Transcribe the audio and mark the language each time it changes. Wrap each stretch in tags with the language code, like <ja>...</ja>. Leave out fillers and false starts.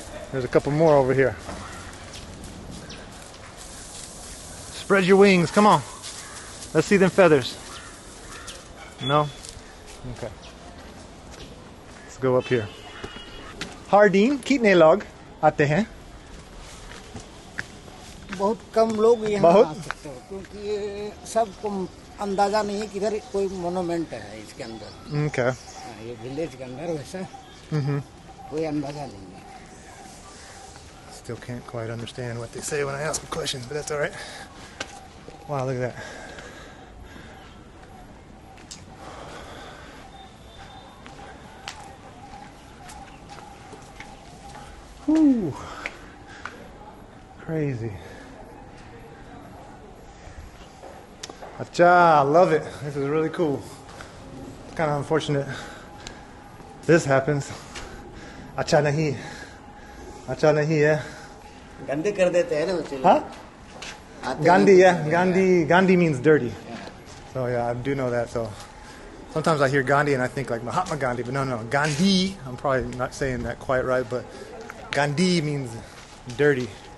<en>There's a couple more over here. Spread your wings, come on. Let's see them feathers. No? Okay. Let's go up here.</en> <hi>Hardin, कितने लोग आते हैं? बहुत कम लोग यहाँ आ सकते हो क्योंकि ये सबको अंदाजा नहीं है कि इधर कोई मोनुमेंट है इसके अंदर.</hi> <en>Okay.</en> <hi>ये विलेज के अंदर वैसा कोई अंदाजा नहीं है.</hi> <en>Still can't quite understand what they say when I ask questions, but that's all right. Wow, look at that. Whoo! Crazy. Acha, I love it. This is really cool. It's kind of unfortunate this happens.</en> <hi>अच्छा नहीं. अच्छा नहीं, yeah. Gandhi kar dete hai na wo chilo.</hi> <en>Huh? Gandhi, yeah. Gandhi, Gandhi means dirty. So yeah, I do know that. So sometimes I hear Gandhi and I think like Mahatma Gandhi, but no. Gandhi, I'm probably not saying that quite right, but Gandhi means dirty.</en>